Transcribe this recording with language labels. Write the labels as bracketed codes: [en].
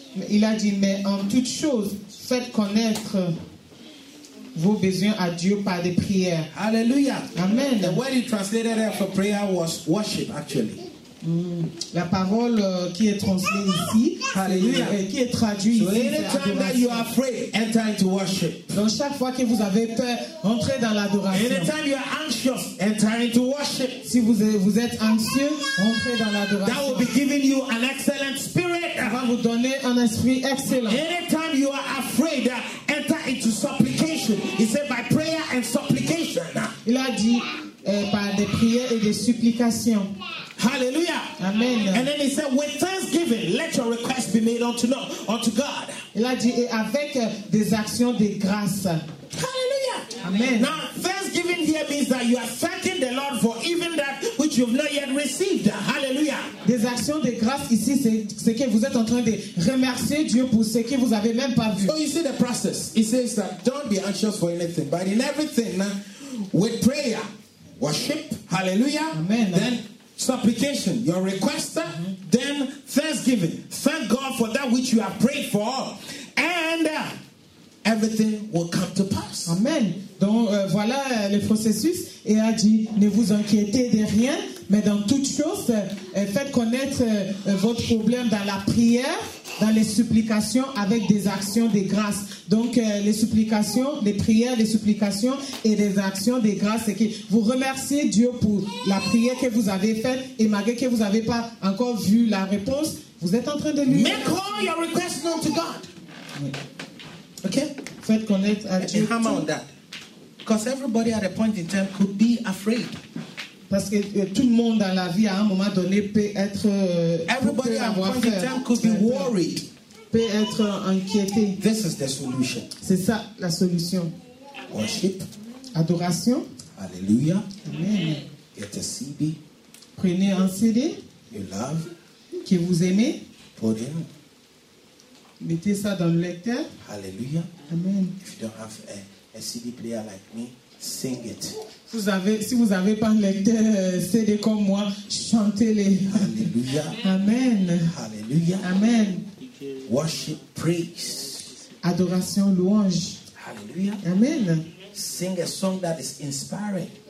[fr] Il a dit, mais en toute chose, faites connaître vos besoins à Dieu par des prières. Hallelujah. Amen. [en] The word you translated there for prayer was worship, actually. [fr] La parole qui est translée ici, Hallelujah. Qui est traduite [en] so [fr] ici, c'est [en] adoration. That you are afraid, enter into worship. [fr] Donc chaque fois que vous avez peur, entrez dans l'adoration. [en] Anytime you are anxious, enter into worship. [fr] Si vous êtes anxieux, entrez dans l'adoration. [en] That will be giving you an excellent spirit. [fr] Ça va vous donner un esprit excellent. [en] Anytime you are afraid, enter into supplication. He said by prayer and supplication. [fr] Il a dit par des prières et des supplications. Hallelujah. Amen. [en] And then he said, with thanksgiving, let your request be made unto God. [fr] Il a dit, et avec des actions de grâce. Hallelujah. Amen. [en] Now, thanksgiving here means that you are thanking the Lord for even that which you have not yet received. Hallelujah. [fr] Des actions de grâce ici, c'est que vous êtes en train de remercier Dieu pour ce que vous avez même pas vu. [en] So you see the process. He says that don't be anxious for anything, but in everything, with prayer, worship, hallelujah. Amen. Then supplication, your request, then thanksgiving. Thank God for that which you have prayed for, and everything will come to pass. [fr] Amen. Donc voilà le processus. Et a dit, ne vous inquiétez de rien, mais dans toute chose, faites connaître votre problème dans la prière, dans les supplications, avec des actions de grâce. Donc les supplications, les prières, les supplications et les actions de grâce, c'est que vous remerciez Dieu pour la prière que vous avez faite, et malgré que vous n'avez pas encore vu la réponse, vous êtes en train de lui. [en] Make all your requests known to God. Okay? [fr] faites connaître à Dieu. [en] And hammer on that. Because everybody at a point in time could be afraid. [fr] Parce que tout le monde dans la vie à un moment donné peut être [en] everybody at a point in time could be worried. [fr] Peut être inquiété. [en] This is the solution. [fr] C'est ça la solution. [en] Worship. [fr] Adoration. Alléluia. Amen. [en] Get a CD. [fr] Prenez un CD. [en] You love. [fr] Que vous aimez. [en] Put in. [fr] Mettez ça dans le lecteur. Alléluia. Amen. [en] If you don't have a CD player like me, sing it. [fr] Vous avez, si vous n'avez pas un lecteur CD comme moi, chantez-les. Alléluia. Amen. Alléluia. Amen. [en] Worship, praise. [fr] Adoration, louange. Alléluia. Amen. [en] Sing a song that is inspiring.